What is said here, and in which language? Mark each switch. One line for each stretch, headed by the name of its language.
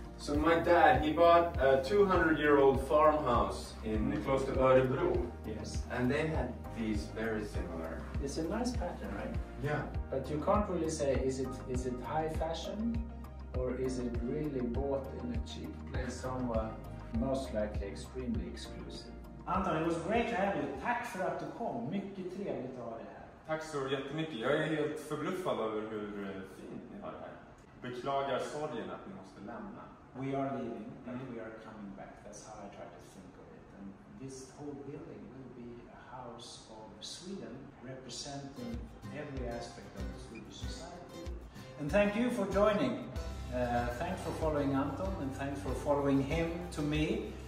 English: So my dad, he bought a 200-year-old farmhouse in close to Örebro. Yes. And they had these very similar. It's a nice pattern, right? Yeah. But you can't really say, is it high fashion? Or is it really bought in a cheap place somewhere? Most likely extremely exclusive. Anton, it was great to have you.
Swedish: Tack för att du kom. Mycket trevligt att ha dig här. Tack så jättemycket. Jag är helt förbluffad över hur fint ni har det här. Beklagar sorgen att ni måste lämna.
English: We are leaving and we are coming back. That's how I try to think of it. And this whole building will be a house of Sweden representing every aspect of the Swedish society. And thank you for joining. Thanks for following Anton and thanks for following him to me.